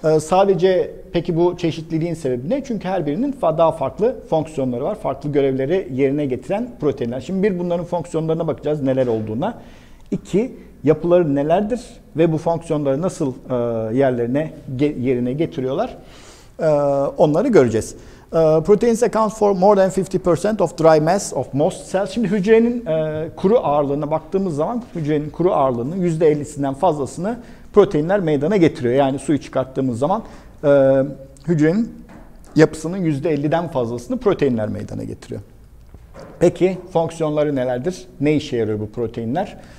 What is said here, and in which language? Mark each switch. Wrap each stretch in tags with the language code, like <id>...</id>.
<tr>Sadece peki bu çeşitliliğin sebebi ne? Çünkü her birinin daha farklı fonksiyonları var. Farklı görevleri yerine getiren proteinler. Şimdi bir bunların fonksiyonlarına bakacağız neler olduğuna. İki, yapıları nelerdir ve bu fonksiyonları nasıl yerlerine yerine getiriyorlar? Onları göreceğiz.</tr> <en>Proteins account for more than 50% of dry mass of most cells.</en> <tr>Şimdi hücrenin kuru ağırlığına baktığımız zaman hücrenin kuru ağırlığının %50'sinden fazlasını proteinler meydana getiriyor. Yani suyu çıkarttığımız zaman hücrenin yapısının %50'den fazlasını proteinler meydana getiriyor. Peki fonksiyonları nelerdir? Ne işe yarıyor bu proteinler?</tr>